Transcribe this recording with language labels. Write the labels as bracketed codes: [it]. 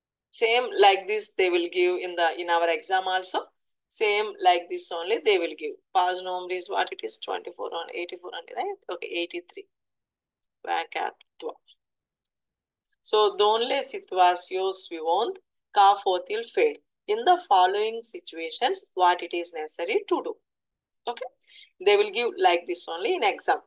[en] Same like this, they will give in the in our exam also. Same like this only they will give. Page number is what it is 24 on 84 on right? Okay, 83. [fr] So, dans les situations suivantes, qu'a faut-il faire? [en] In the following situations, what it is necessary to do? Okay? They will give like this only in exam.